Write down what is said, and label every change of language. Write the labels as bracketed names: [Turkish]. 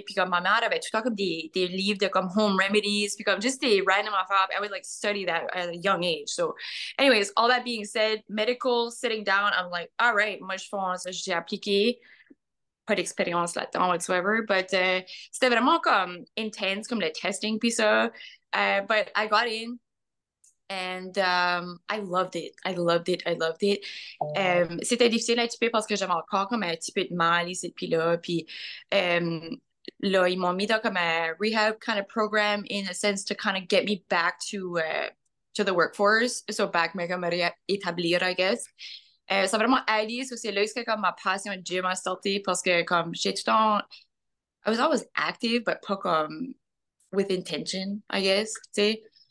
[French] Puis comme ma mère avait tout le temps comme des livres de comme [English] home remedies, [French] puis comme just des random affaires. [English] I would like study that at a young age. So, anyways, all that being said, medical, sitting down, I'm like, all right, [French] moi je fonce, j'ai appliqué. pas d'expérience là-dedans, [English] whatsoever, but [French] c'était vraiment comme intense, comme le testing, puis ça. [English] But I got in, and I loved it. I loved it. I loved it. [French] C'était difficile un petit peu parce que j'avais encore comme un petit peu de mal ici, puis là. Puis là, ils m'ont mis dans comme un [English] rehab kind of program, in a sense, to kind of get me back to the workforce. So back, [French] mais comme réétablir, [English] I guess. [French] Ça a vraiment aidé, c'est là que comme ma passion du gym a sorti, parce que comme j'ai tout le temps, [English] I was always active, but [French] pas comme [English] with intention, I guess, [French] tu sais.